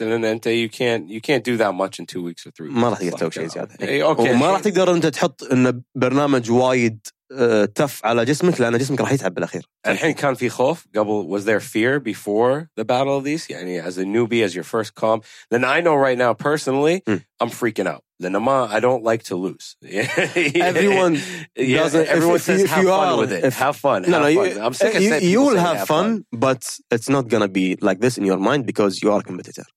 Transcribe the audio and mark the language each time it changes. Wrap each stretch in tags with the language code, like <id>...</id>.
<en>And then you can't do that much in 2 weeks or 3 weeks.</en> <ar>ما راح تقدر تسوي شيء زيادة.</ar> <en>Okay.</en> <ar>وما راح تقدر أنت تحط إن برنامج وايد تف على جسمك لأن جسمك راح يتعب بالأخير. الحين كان في خوف قبل.</ar> <en>Was there fear before the battle of these? يعني as a newbie, as your first comp. Then I know right now personally, I'm freaking out. Then I don't like to lose. Everyone yeah, doesn't. Everyone says have fun with it. Have fun. No, I'm sick of saying you will have fun, but it's not gonna be like this in your mind because you are a competitor.</en>